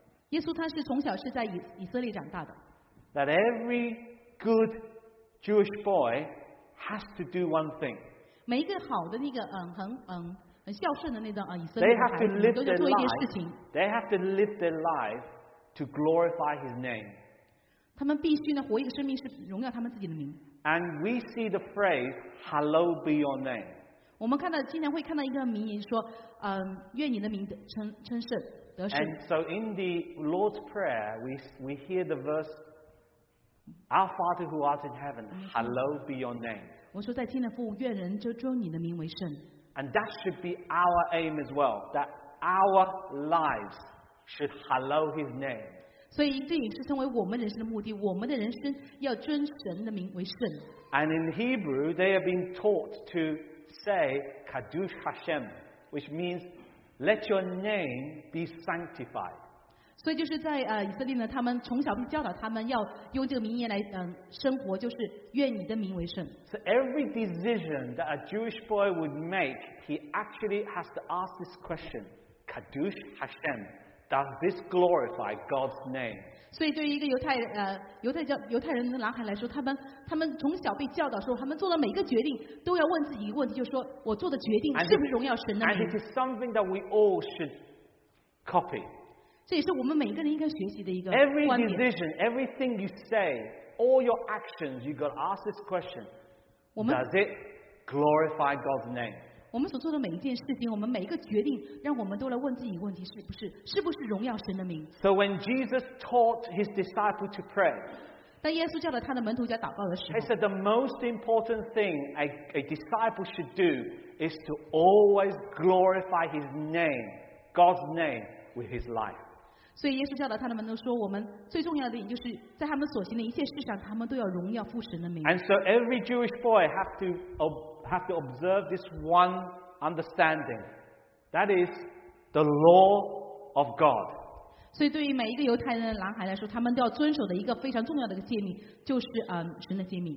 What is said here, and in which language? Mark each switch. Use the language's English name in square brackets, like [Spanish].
[Chinese] 耶稣他是从小是在以色列长大的。 [English] That every good Jewish boy has to do one thing. [Chinese] 每一个好的那个很孝顺的那种以色列的孩子都要做一件事情。 [English] They have to live their life to glorify His name. [Chinese] 他们必须呢活一个生命是荣耀他们自己的名。 [English] And we see the phrase "Hallowed be your name." [Chinese] 我们看到经常会看到一个名言说，愿你的名称圣得圣。 [English] And so in the Lord's Prayer, we hear the verse, "Our Father who art in heaven, Hallowed be your name." [Chinese] 我说在天的父，愿人就尊你的名为圣。 [English] And that should be our aim as well, that our lives should hallow His name. [Chinese] 所以这也是成为我们人生的目的，我们的人生要尊神的名为圣。 [English] And in Hebrew, they have been taught to say Kadosh Hashem, which means let your name be sanctified. [Chinese] 所以就是在以色列呢，他们从小被教导，他们要用这个名言来生活，就是。愿你的名为圣。 [English] So every decision that a Jewish boy would make, he actually has to ask this question: Kadosh Hashem, does this glorify God's name? [Chinese] 所以对于一个犹太人的男孩来说，他们从小被教导说，他们做了每个决定都要问自己一个问题，就是说我做的决定是不是荣耀神的名。 [English] And it is something that we all should copy. [Chinese] 这也是我们每一个人应该学习的一个观点。 [English] Every decision, everything you say. All your actions, you've got to ask this question. Does it glorify God's name? [Chinese] 我们所做的每一件事情，我们每一个决定，让我们都来问自己一个问题：是不是荣耀神的名 [English] ？So when Jesus taught his disciples to pray, [Chinese] 当耶稣教导他的门徒在祷告的时候 [English] ，He said the most important thing a disciple should do is to always glorify His name, God's name, with his life. [Chinese] 所以耶稣教导他的门徒说，我们最重要的就是在他们所行的一切事上，他们都要荣耀父神的名。 [English] And so every Jewish boy have to observe this one understanding, that is the law of God. [Chinese] 所以对于每一个犹太人的男孩来说，他们都要遵守的一个非常重要的一个诫命，就是神的诫命。